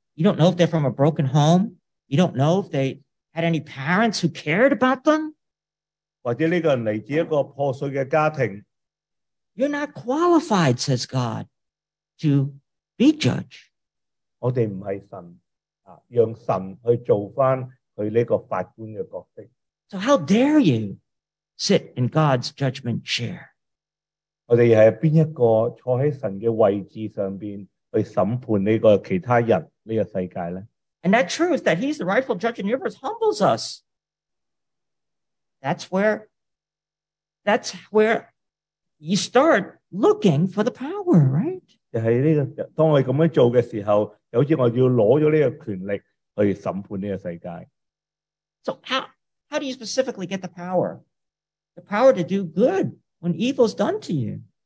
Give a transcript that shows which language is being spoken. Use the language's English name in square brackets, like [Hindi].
[English] You don't know if they're from a broken home. You don't know if they had any parents who cared about them. [Chinese] 或者这个人来自一个破碎的家庭。 [English] You're not qualified, says God, to be judge. [Chinese] 我们不是神,让神去做回他这个法官的角色。 [English] So how dare you sit in God's judgment chair? [Chinese] 我们是哪一个坐在神的位置上去审判这个其他人这个世界呢? [English] And that truth that he's the rightful judge in the universe humbles us. That's where you start looking for the power, right? [Chinese] 就是这个,当我们这么做的时候,好像我要拿了这个权力去审判这个世界。 [English] So how do you specifically get the power? The power to do good when evil is done to you.